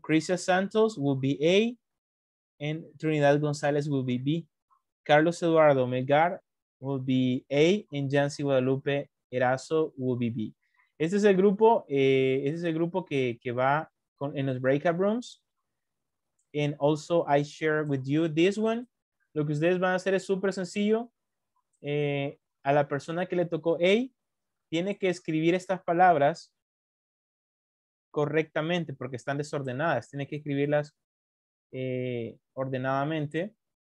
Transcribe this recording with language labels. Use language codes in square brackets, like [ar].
[en] Crisia Santos will be A and Trinidad González will be B. Carlos Eduardo Melgar will be A and Jancy Guadalupe Erazo will be B. [es] Este es el grupo que va con, en los breakout rooms. [en] And also I share with you this one. [es] Lo que ustedes van a hacer es súper sencillo. A la persona que le tocó A, tiene que escribir estas palabras correctamente porque están desordenadas. Tiene que escribirlas ordenadamente.